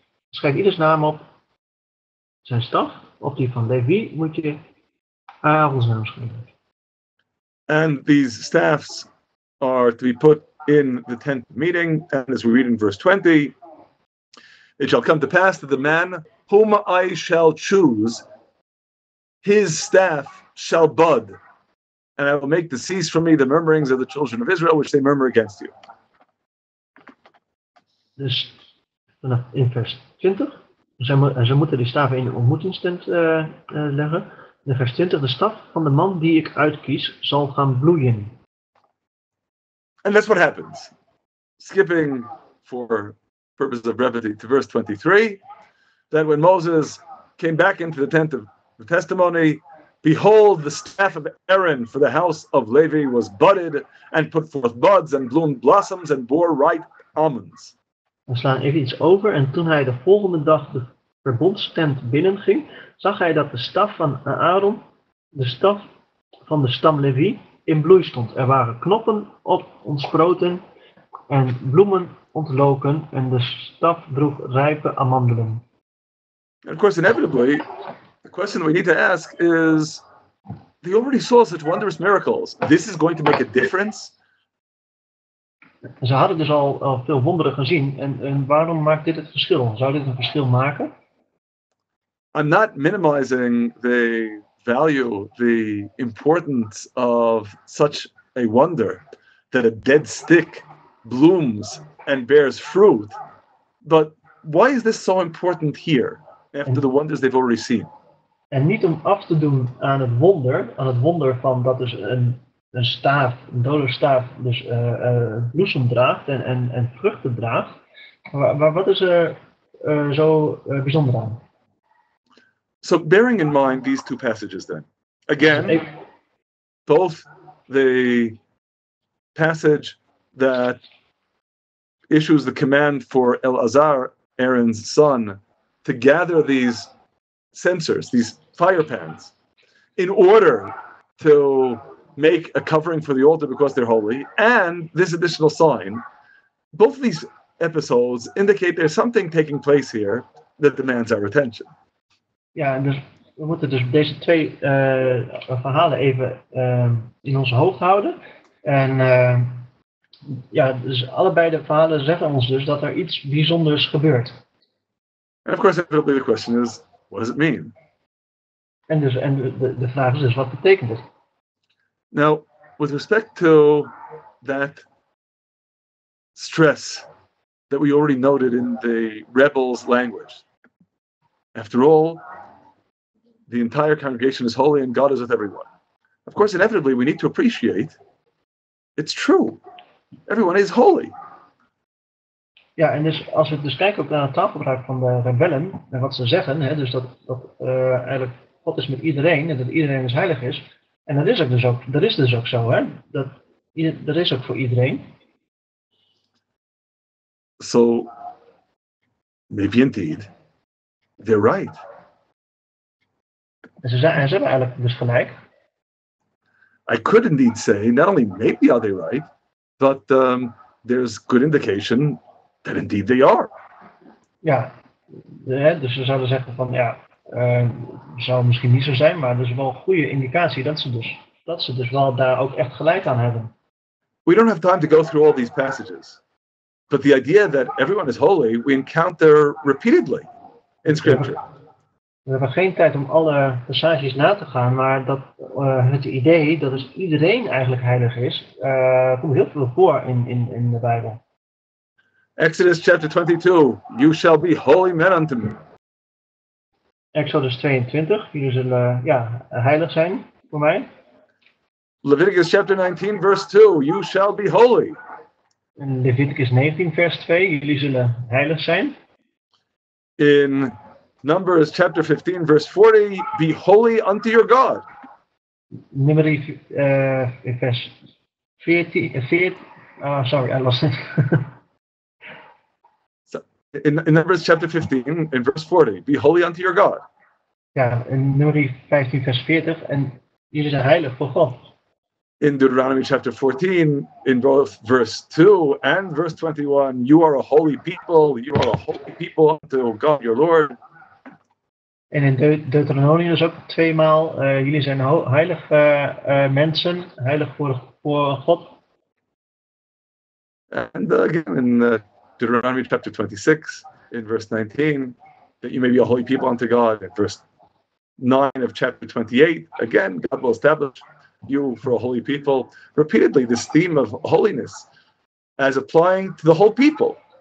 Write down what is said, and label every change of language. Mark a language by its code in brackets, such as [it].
[nl] Schrijf ieders naam op zijn staf. Op die van Levi moet je Aaron's naam schrijven. [en] And these staffs are to be put in the tent meeting, and as we read in verse 20, it shall come to pass that the man whom I shall choose, his staff shall bud, and I will make to cease from me the murmurings of the children of Israel, which they murmur against you. [nl] Dus in vers 20, ze moeten die staven in de ontmoetingstent leggen. In vers 20, de staf van de man die ik uitkies zal gaan bloeien. [en] And that's what happens. Skipping for purpose of brevity to verse 23, that when Moses came back into the tent of the testimony, behold, the staff of Aaron for the house of Levi was budded and put forth buds and bloomed blossoms and bore ripe almonds. [nl] We slaan even iets over, en toen hij de volgende dag de verbondstent binnenging, zag hij dat de staf van Aaron, de staf van de stam Levi, in bloei stond. Er waren knoppen op ontsproten en bloemen ontloken en de staf droeg rijpe amandelen. [en] Of course, inevitably, the question we need to ask is, they already saw such wondrous miracles. This is going to make a difference? [nl] Ze hadden dus al veel wonderen gezien. En waarom maakt dit het verschil? Zou dit een verschil maken? [en] I'm not minimizing the value, the importance of such a wonder that a dead stick blooms and bears fruit, but why is this so important here after the wonders they've already seen? [nl] En niet om af te doen aan het wonder van dat dus een staaf, een dode staaf, dus bloesem draagt en vruchten draagt. Maar wat is er zo bijzonder aan? [en] So bearing in mind these two passages then, again, both the passage that issues the command for Elazar, Aaron's son, to gather these censers, these fire pans, in order to make a covering for the altar because they're holy, and this additional sign, both of these episodes indicate there's something taking place here that demands our attention. [nl] Ja, dus we moeten dus deze twee verhalen even in ons hoofd houden. En ja, dus allebei de verhalen zeggen ons dus dat er iets bijzonders gebeurt. [en] And of course, inevitably the question is, what does it mean? [nl] En dus en de vraag is dus, wat betekent het? [en] Now, with respect to that stress that we already noted in the rebels' language. After all, the entire congregation is holy and God is with everyone. Of course, inevitably, we need to appreciate it's true. Everyone is holy. [nl] Ja, en dus als we dus kijken ook naar het taalgebruik van de rebellen en wat ze zeggen, hè, dus dat eigenlijk God is met iedereen en dat iedereen dus heilig is. En dat is dus ook zo, hè? Dat is ook voor iedereen. [en] So, maybe indeed, they're right. [nl] Ze hebben eigenlijk dus gelijk. [en] I could indeed say, not only maybe are they right, but there's good indication that indeed they are. [nl] Ja, dus ze zouden zeggen van ja, zou misschien niet zo zijn, maar dat is wel een goede indicatie dat ze dus wel daar ook echt gelijk aan hebben. [en] We don't have time to go through all these passages. But the idea that everyone is holy, we encounter repeatedly in scripture. [nl] We hebben geen tijd om alle passages na te gaan, maar dat, het idee dat dus iedereen eigenlijk heilig is, komt heel veel voor in de Bijbel. [en] Exodus chapter 22, you shall be holy men unto me. [nl] Exodus 22, jullie zullen heilig zijn voor mij. [en] Leviticus chapter 19, verse 2, you shall be holy. [nl] In Leviticus 19, vers 2, jullie zullen heilig zijn. [en] In Numbers chapter 15, verse 40, be holy unto your God. [nl] Numeri vers 40, [en] sorry, I lost it. In Numbers chapter 15, in verse 40, be holy unto your God. [nl] Ja, in Numeri 15, vers 40, en jullie zijn heilig voor God. [en] In Deuteronomy chapter 14, in both verse 2 and verse 21, you are a holy people, you are a holy people unto God your Lord. [nl] En in Deuteronomie is ook tweemaal, jullie zijn heilige mensen, heilig voor God. [en] En again in Deuteronomy chapter 26, in verse 19, that you may be a holy people unto God. In verse 9 of chapter 28, again, God will establish you for a holy people. Repeatedly, this theme of holiness as applying to the whole people.